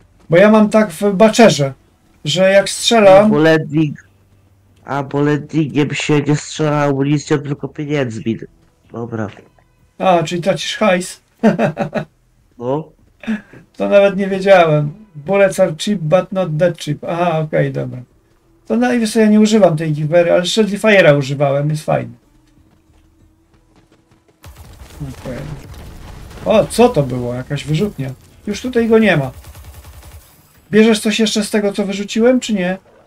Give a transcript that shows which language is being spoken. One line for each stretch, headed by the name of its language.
Polish: Bo ja mam tak w baczerze, że jak strzelam... Albo landingiem się nie strzela amunicją, tylko pieniędzmi. Dobra. A, czyli tracisz hajs. No. To nawet nie wiedziałem.
English: Bullets are cheap, but not that cheap.
Polish: Aha, okej, okay, dobra. To najwyżej sobie nie używam tej givery, ale Shredly Fire'a używałem, jest fajny. Okej. Okay. O, co to było? Jakaś wyrzutnia. Już tutaj go nie ma. Bierzesz coś jeszcze z tego, co wyrzuciłem, czy nie?